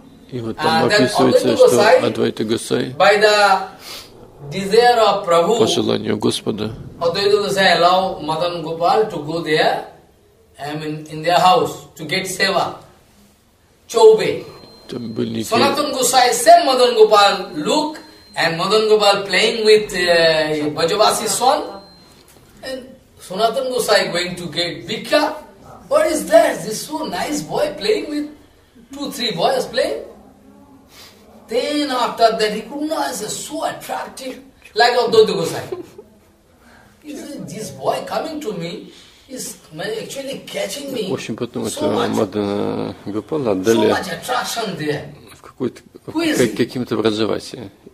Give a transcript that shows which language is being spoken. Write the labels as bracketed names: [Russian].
[Russian] И вот там описывается, что Адвайта Гасай, [English] by the desire of Prabhu, [Russian] по желанию Господа, [English] Advaita Gosai allow Madan Gopal to go there, I mean, in their house to get seva. Chobe. Sanatan Gosai sent Madan Gopal look, and Madan Gopal playing with Bajavasi's son, and Sanatan Gosai going to get bhikkha. What is that? This so nice boy playing with two, three boys playing. Then after that, he could not say, so attractive, like Advaita Gosai. He said, this boy coming to me is actually catching me. [Russian] Очень потом это Мадана Гопала отдали. [English] So much attraction there. [Russian] В какой-то каким-то образовании.